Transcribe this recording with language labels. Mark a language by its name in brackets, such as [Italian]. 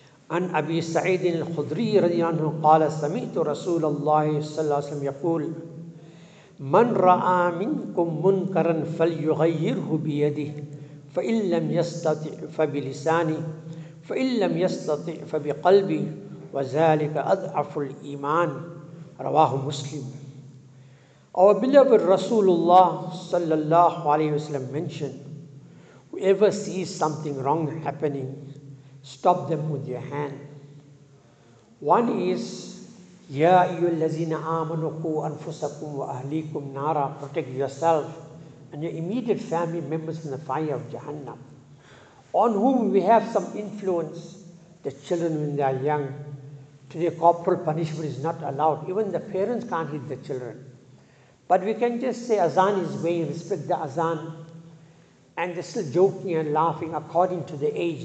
[Arabic] An Abi Sa'id al-Khudri radiyallahu anhu qala sami'tu Rasulullah sallallahu alaihi wasallam yaqul, man ra'a minkum munkaran falyughayyirhu biyadihi فإن لم يستطع فبلساني فإن لم يستطع فبقلبي وذلك أضعف الإيمان. رواه مسلم. [English] Our beloved Rasulullah sallallahu alayhi wasallam mentioned, whoever sees something wrong happening, stop them with your hand. One is, [Arabic] يَا أَيُّهَا الَّذِينَ آمَنُوا قُوا أَنفُسَكُمْ وَأَهْلِيكُمْ نَارًا. [English] Protect yourself and your immediate family members in the fire of Jahannam. On whom we have some influence, the children when they are young. Today corporal punishment is not allowed. Even the parents can't hit the children. But we can just say azan is going, respect the azan. And they're still joking and laughing according to the age.